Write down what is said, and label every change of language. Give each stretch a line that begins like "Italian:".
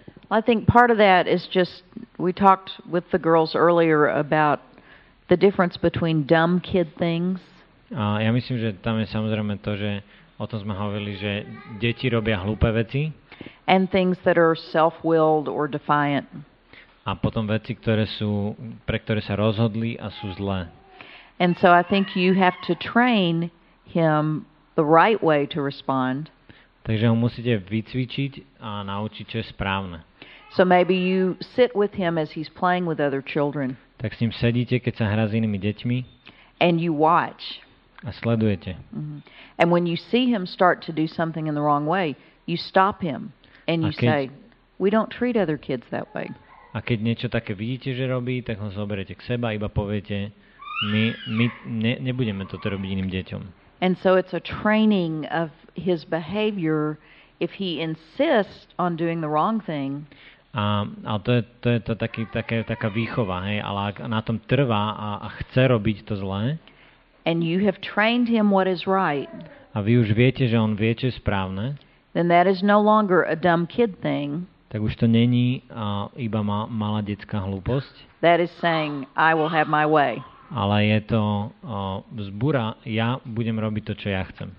English: I think part of that is just, we talked with the girls earlier about the difference between dumb kid things.
Slovak: Ja myslím, že tam je samozrejme to, že o tom sme hovorili, že deti robia hlúpe veci.
English: And things that are self-willed or defiant.
Slovak: A potom veci, pre ktoré sa rozhodli a sú zlé.
English: And so I think you have to train him the right way to respond.
Slovak: Takže ho musíte vycvičiť a naučiť, čo je správne.
English: So maybe you sit with him as he's playing with other children.
Slovak: Tak s ním sedíte, keď sa hrá s inými deťmi.
English: And you watch.
Slovak: A sledujete. Mm-hmm.
English: And when you see him start to do something in the wrong way, you stop him and you say, "We don't treat other kids that way."
Slovak: A keď niečo také vidíte, že robí, tak ho zoberete k sebe a iba poviete, my nebudeme toto robiť iným deťom.
English: And so it's a training of his behavior. If he insists on doing the wrong thing.
Slovak: To je taká výchova, hej, ale ak na tom trvá a chce robiť to zlé.
English: And you have trained him what is right.
Slovak: A vy už viete, že on vie, čo je správne.
English: Then that is no longer a dumb kid thing.
Slovak: Tak už to není iba malá detská hlúposť.
English: That is saying I will have my way.
Slovak: Ale je to vzbúra, ja budem robiť to, čo ja chcem.